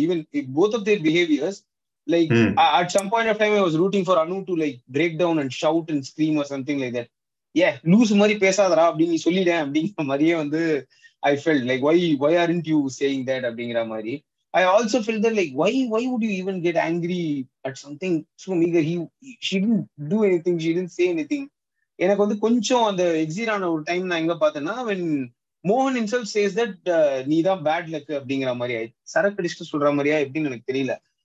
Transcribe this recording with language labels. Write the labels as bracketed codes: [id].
[en] even both of their behaviours like at some point of time I was rooting for Anu to like break down and shout and scream or something like that, [ta] A loose மாதிரி பேசாதரா அப்படின்னு சொல்லிட்டேன் அப்படிங்கிற மாதிரியே வந்து [en] I feel like why aren't you saying that அப்படிங்கிற மாதிரி. I also feel that like why would you even get angry at something so meager, she didn't do anything, she didn't say anything. [ta] எனக்கு வந்து கொஞ்சம் அந்த எக்ஸிரான ஒரு டைம் நான் எங்க பார்த்தேன்னா, [en] when Mohan himself says that [ta] நீ தான் [en] bad luck [ta] அப்படிங்கிற மாதிரி சரக்கடிச்சுட்டு சொல்ற மாதிரியா எப்படின்னு எனக்கு தெரியல.